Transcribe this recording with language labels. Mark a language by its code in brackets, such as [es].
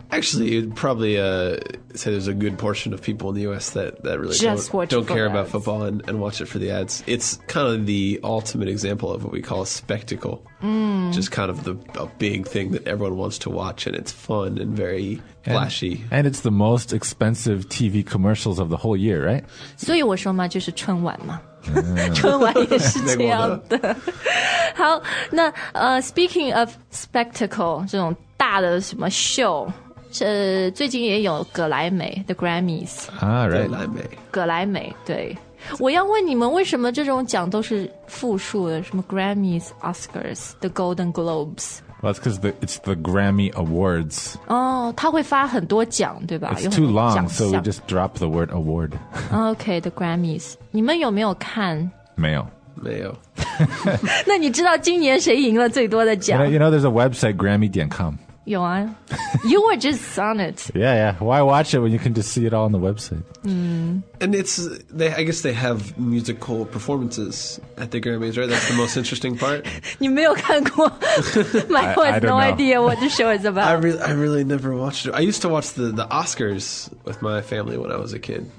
[en] Actually, you'd probably say there's a good portion of people in the US that really don't care about football and watch it for the ads. It's kind of the ultimate example of what we call a spectacle. Just kind of a big thing that everyone wants to watch and it's fun and very flashy. And it's the most expensive TV commercials of the whole year, right? [zh] 所以我说嘛,就是春晚嘛。春晚也是这样的。好,那 [en] speaking of spectacle, [zh] 这种大的什么秀,最近也有葛莱美, the Grammys. [en] Ah, right. [zh] 葛莱美。葛莱美,对。我要问你们为什么这种奖都是复数的,什么 Grammys, Oscars, the Golden Globes? [en] Well, that's because it's the Grammy Awards. [zh] Oh, 他会发很多奖,对吧? [en] It's too long, so we just drop the word award. Okay, the Grammys. [zh] 你们有没有看? 没有。没有。那你知道今年谁赢了最多的奖? [en] You know, there's a website, grammy.com. [zh] 有啊。 [en] You were just on it. Yeah, yeah. Why watch it when you can just see it all on the website? And I guess they have musical performances at the Grammys, right? That's the most interesting part. [zh] 你没有看过 [en] Michael has no idea what the show is about. I really never watched it. I used to watch the Oscars with my family when I was a kid.